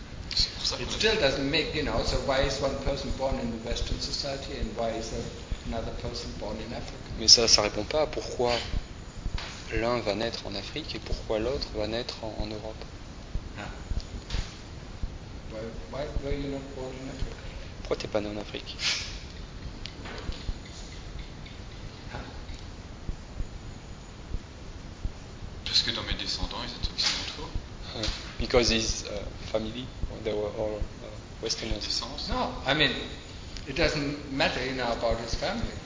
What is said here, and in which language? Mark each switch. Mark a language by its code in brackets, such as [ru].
[en] It still doesn't make, you know, so why is one person born in the Western society and why is another person born in Africa? [fr] Mais ça répond pas à pourquoi l'un va naître en Afrique et pourquoi l'autre va naître en Europe. [en] Why were you not born in Africa? [fr] Pourquoi t'es pas né en Afrique? Parce que dans mes descendants, ils étaient occidentaux. [en] Because his family, they were all Westerners. No, I mean, it doesn't matter, you know, about his family.